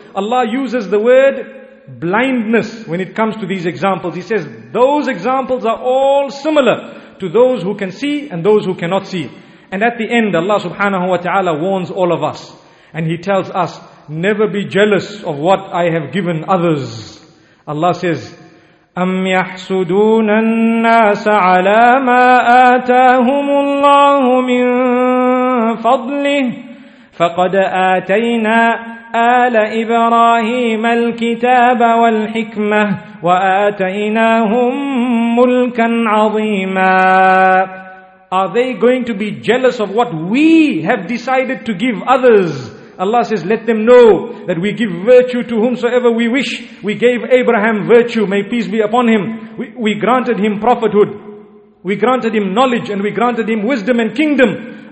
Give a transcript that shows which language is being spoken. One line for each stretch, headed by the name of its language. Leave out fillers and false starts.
English: Allah uses the word blindness when it comes to these examples. He says those examples are all similar to those who can see and those who cannot see. And at the end, Allah subhanahu wa ta'ala warns all of us. And He tells us, never be jealous of what I have given others. Allah says,
Arabic: أَمْ يَحْسُدُونَ النَّاسَ عَلَى مَا آتَاهُمُ اللَّهُ مِنْ فَضْلِهِ فَقَدْ آتَيْنَا آلَ إِبْرَاهِيمَ الْكِتَابَ وَالْحِكْمَةَ وَآتَيْنَاهُمْ مُلْكًا عَظِيمًا.
English: Are they going to be jealous of what we have decided to give others? Allah says, let them know that we give virtue to whomsoever we wish. We gave Abraham virtue, may peace be upon him. We granted him prophethood. We granted him knowledge and we granted him wisdom and kingdom.